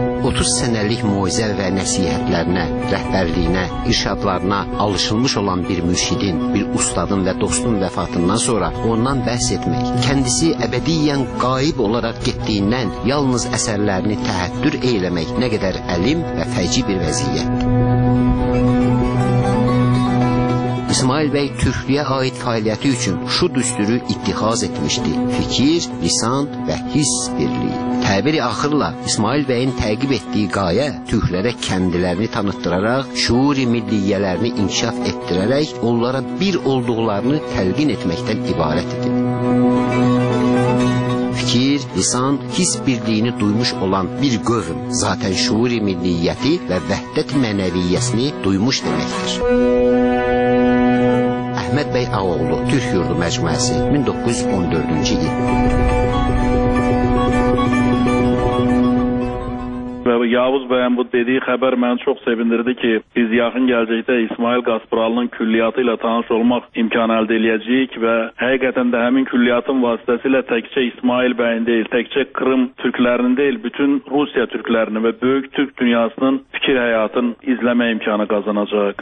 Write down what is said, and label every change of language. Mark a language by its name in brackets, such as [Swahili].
[Azerbaijani] 30 senelik möcizə və nəsihətlərinə, rəhbərliyinə, irşadlarına alışılmış olan bir mürşidin, bir ustadın və dostun vəfatından sonra ondan bəhs etmək, kəndisi əbədiyyən qayıb olaraq getdiyindən yalnız əsərlərini təhəddür eyləmək nə qədər əlim və fəci bir vəziyyətdir. [Turkish] İsmail Bey Türklüğe ait faaliyeti için şu düsturu ittihaz etmişti. Fikir, lisan ve his birliği. Təbiri axırla İsmail Bey'in təqib etdiyi qaya Türklere kendilerini tanıttırarak, şuuri milliyelerini inkişaf ettirerek onlara bir olduklarını təlqin etmekten ibaret idi. Fikir, lisan, his birliğini duymuş olan bir gövüm zaten şuuri milliyeti ve vəhdət mənəviyyəsini duymuş demektir. [Azerbaijani] Əhməd Bey Ağoğlu, Türk Yurdu Məcmuəsi, 1914-cü il. [Turkish] Yavuz Bey'in bu dediği haber beni çok sevindirdi ki biz yakın gelecekte İsmail Qasparalı'nın külliyatıyla tanış olmak imkanı elde edeceğiz ve hakikaten de hemen külliyatın vasıtasıyla tekçe İsmail Bey'in değil, tekçe Kırım Türklerinin değil, bütün Rusya Türklerinin ve büyük Türk dünyasının fikir hayatını izleme imkanı kazanacak.